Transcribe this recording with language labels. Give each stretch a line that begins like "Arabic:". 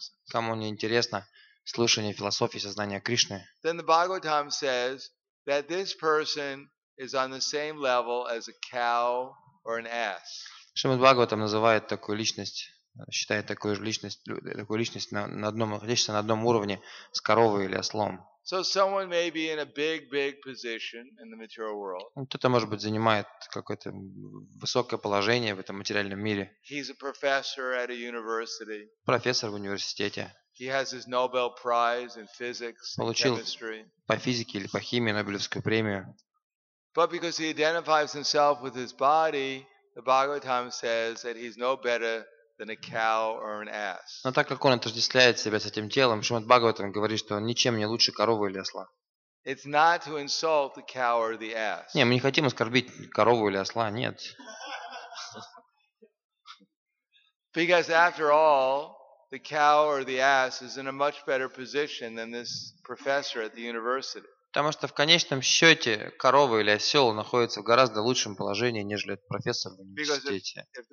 Russian: Кому не интересно слушание философии сознания Кришны?
English: Then the Bhagavatam says that this person is on the same level as a cow or an ass.
Russian: Шримад Бхагаватам называет такую личность, считает такую личность на одном уровне с коровой или ослом.
English: So someone may be in a big, big position in the material world.
Russian: Кто-то, может быть, занимает какое-то высокое положение в этом материальном мире.
English: He's a professor at a university.
Russian: Профессор в университете.
English: He has his Nobel Prize in physics and chemistry.
Russian: Получил по физике или по химии Нобелевскую премию.
English: But because he identifies himself with his body, the Bhagavatam says that he's no better than a cow or an ass.
Russian: Но так как он отождествляет себя с этим телом, Шримад Бхагаватам говорит, что он ничем не лучше коровы или осла.
English: It's not to insult the cow or the ass.
Russian: Не, мы не хотим оскорбить корову или осла, нет.
English: Because after all, the cow or the ass is in a much better position than this professor at the university.
Russian: Потому что в конечном счете корова или осел находится в гораздо лучшем положении, нежели этот профессор в университете.